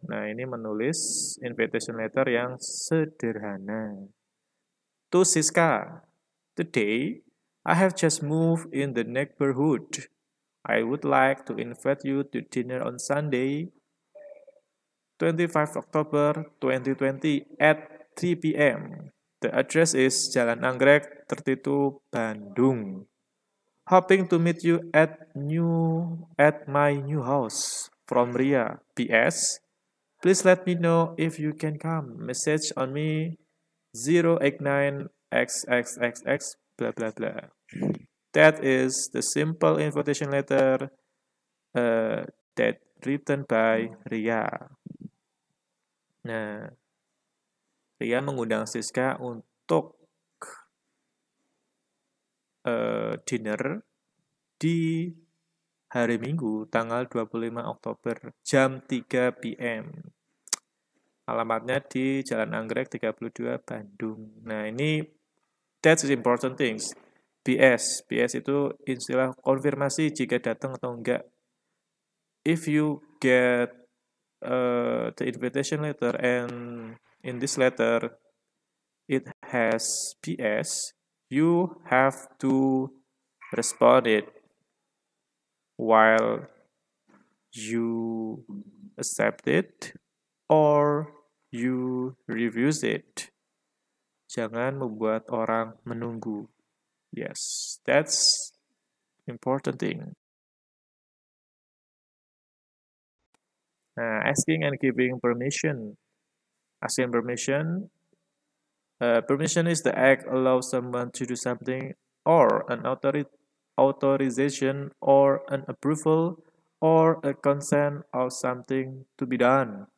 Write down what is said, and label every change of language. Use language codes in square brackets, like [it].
[id] Nah, ini menulis invitation letter yang sederhana. [en] To Siska, today I have just moved in the neighborhood. I would like to invite you to dinner on Sunday, 25 October 2020 at 3 p.m. The address is Jalan Anggrek 32, Bandung. Hoping to meet you at my new house. From Ria. P.S. Please let me know if you can come. Message on me 089XXXX blah blah blah. That is the simple invitation letter that written by Ria. [id] Nah, Ria mengundang Siska untuk dinner di hari Minggu, tanggal 25 Oktober, jam 3 p.m. Alamatnya di Jalan Anggrek 32, Bandung. Nah, ini [en] that's important things. PS. [id] PS itu istilah konfirmasi jika datang atau enggak. [en] If you get the invitation letter and in this letter it has PS, you have to respond it while you accept it or you refuse it. [id] Jangan membuat orang menunggu. [en] Yes, that's important thing. Nah, asking and giving permission. Asking permission. Permission is the act allow someone to do something, or an authorization or an approval or a consent of something to be done.